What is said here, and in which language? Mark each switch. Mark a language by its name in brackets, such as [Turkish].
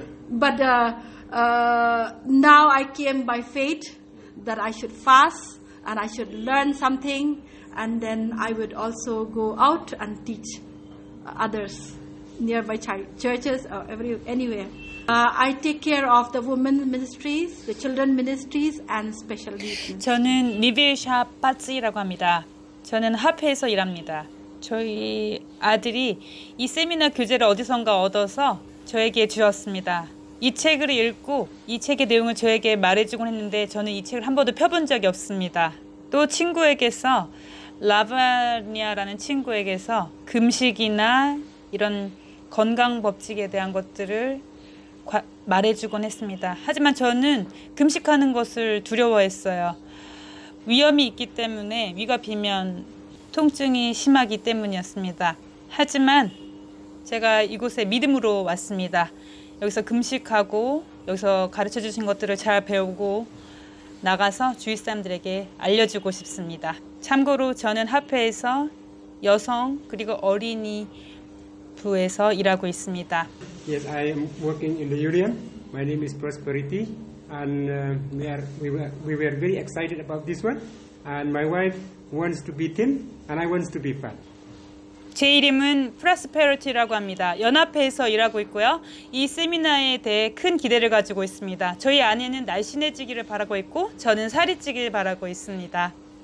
[English] But now I came by faith that I should fast and I should learn something and then I would also go out and teach others nearby churches or anywhere. I take care of the women's ministries, the children ministries, and special needs. [Korean] 저는 니비샤 파츠이라고 합니다. 저는 합회에서 일합니다. 저희 아들이 이 세미나 교재를 어디선가 얻어서 저에게 주었습니다. 이 책을 읽고 이 책의 내용을 저에게 말해주곤 했는데 저는 이 책을 한 번도 펴본 적이 없습니다. 또 친구에게서 라바니아라는 친구에게서 금식이나 이런 건강 법칙에 대한 것들을 말해주곤 했습니다. 하지만 저는 금식하는 것을 두려워했어요. 위염이 있기 때문에 위가 비면 통증이 심하기 때문이었습니다. 하지만 제가 이곳에 믿음으로 왔습니다. 여기서 금식하고 여기서 가르쳐 주신 것들을 잘 배우고 나가서 주위 사람들에게 알려주고 싶습니다. 참고로 저는 합회에서 여성 그리고 어린이 부에서 일하고 있습니다. [English] Yes, I am working in the union. My name is Prosperity, and we were very excited about this one. And my wife wants to be thin, and I wants to be fat. [Korean] 제 이름은 프로스페리티라고 합니다. 연합회에서 일하고 있고요. 이 세미나에 대해 큰 기대를 가지고 있습니다. 저희 아내는 날씬해지기를 바라고 있고 저는 살이 찌길 바라고 있습니다.